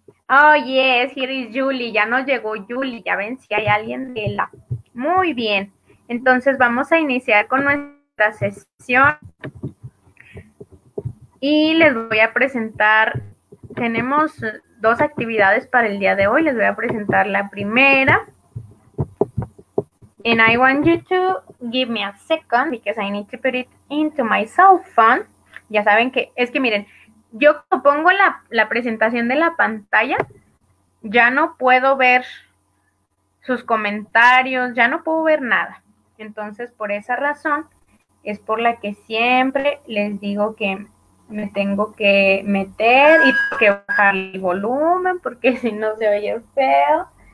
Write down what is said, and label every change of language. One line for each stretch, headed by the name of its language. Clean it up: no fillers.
English: Oh, yes, here is Julie.
Spanish: Ya nos llegó Julie. Ya ven si hay alguien de la. Muy bien. Entonces, vamos a iniciar con nuestra sesión. Y les voy a presentar. Tenemos dos actividades para el día de hoy. Les voy a presentar la primera.
English: And I want you to give me a second because I need to put it into my cell phone.
Spanish: Ya saben que, es que miren, yo cuando pongo la presentación de la pantalla, ya no puedo ver sus comentarios, ya no puedo ver nada. Entonces, por esa razón, es por la que siempre les digo que me tengo que meter y que bajar el volumen, porque si no se oye feo.